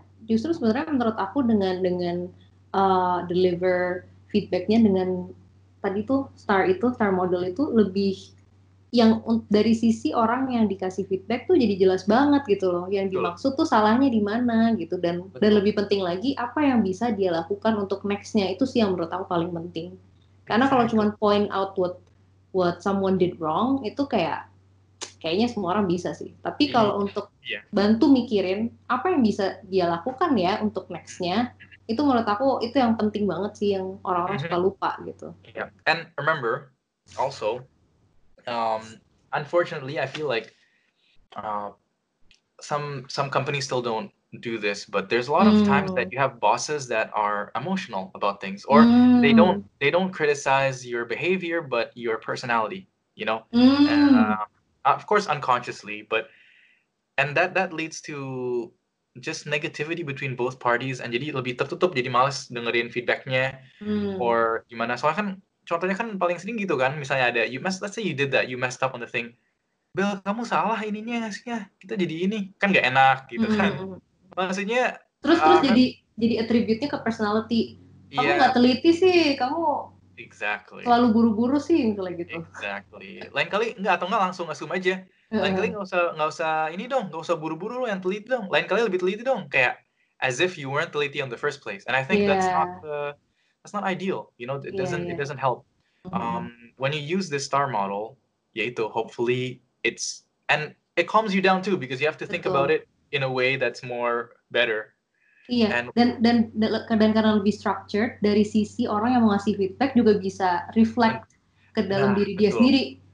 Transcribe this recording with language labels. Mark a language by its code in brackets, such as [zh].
[id] Justru sebenarnya menurut aku dengan deliver feedbacknya dengan tadi tuh star model itu lebih yang dari sisi orang yang dikasih feedback tuh jadi jelas banget gitu loh yang dimaksud tuh salahnya di mana gitu dan lebih penting lagi apa yang bisa dia lakukan untuk next-nya itu sih yang menurut aku paling penting karena kalau cuma [en] point out what someone did wrong [id] itu kayaknya semua orang bisa sih tapi kalau untuk bantu mikirin apa yang bisa dia lakukan ya untuk next-nya itu menurut aku itu yang penting banget sih yang orang-orang suka lupa gitu. [en] Yeah. And remember also unfortunately I feel like some companies still don't do this but there's a lot of times that you have bosses that are emotional about things or they don't criticize your behavior but your personality, you know? And, of course unconsciously but and that leads to just negativity between both parties [id] and jadi lebih tertutup jadi malas dengerin feedbacknya or gimana soalnya kan contohnya kan paling sering gitu kan misalnya ada [en] let's say you did that you messed up on the thing [id] Bel kamu salah ininya ngasihnya kita jadi ini kan gak enak gitu kan maksudnya terus jadi attribute-nya ke personality kamu gak teliti sih kamu [en] Exactly. [id] Selalu buru-buru sih kayak gitu. [en] Exactly. [id] Lain kali enggak atau enggak langsung assume aja. Lain kali enggak usah ini dong, enggak usah buru-buru, lo yang teliti dong. Lain kali lebih teliti dong, kayak [en] as if you weren't teliti in the first place. And I think that's not ideal. You know, it doesn't help. When you use this star model, yaitu hopefully it's and it calms you down too because you have to think about it in a way that's more better. [id] Iya, dan karena lebih structured, dari sisi orang yang mau ngasih feedback juga bisa reflect ke dalam diri dia sendiri.